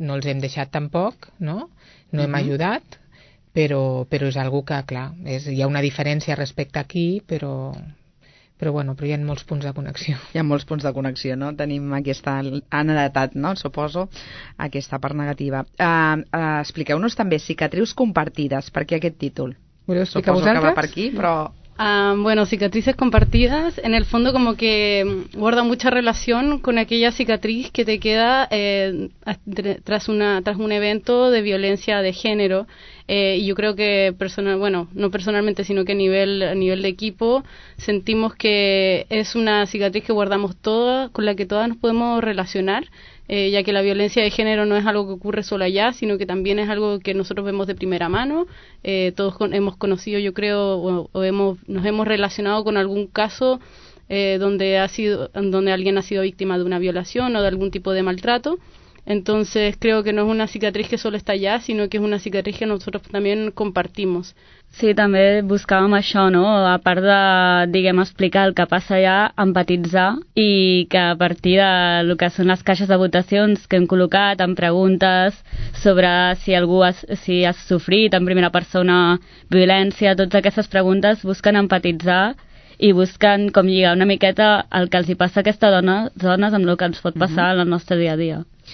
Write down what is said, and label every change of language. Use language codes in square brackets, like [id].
[ca] No els hem deixat tampoc, no? No hem ajudat. Però és algú que, clar, és, hi ha una diferència respecte aquí, però bueno, però hi ha molts punts de connexió. Hi ha molts punts de connexió, no? Tenim aquesta, han heretat, no? Suposo, aquesta part negativa. Expliqueu-nos també cicatrius compartides, per què aquest títol? Voleu explicar vosaltres? Suposo que va per aquí, però... [es] Bueno, cicatrices compartidas, en el fondo como que guarda mucha relación con aquella cicatriz que te queda tras un evento de violencia de género. Y yo creo que no personalmente, sino que a nivel de equipo, sentimos que es una cicatriz que guardamos todas, con la que todas nos podemos relacionar, ya que la violencia de género no es algo que ocurre solo allá, sino que también es algo que nosotros vemos de primera mano. Todos hemos conocido, yo creo, nos hemos relacionado con algún caso donde alguien ha sido víctima de una violación o de algún tipo de maltrato. Entonces creo que no es una cicatriz que solo está allá, sino que es una cicatriz que nosotros también compartimos. [ca] Sí, també buscàvem això, no? A part de, diguem, explicar el que passa allà, empatitzar, i que a partir de lo que són les caixes de votacions que hem col·locat amb preguntes sobre si algú ha sofrit en primera persona violència, totes aquestes preguntes busquen empatitzar i busquen com lligar una miqueta el que els hi passa a aquestes dones amb el que ens pot passar en el nostre dia a dia.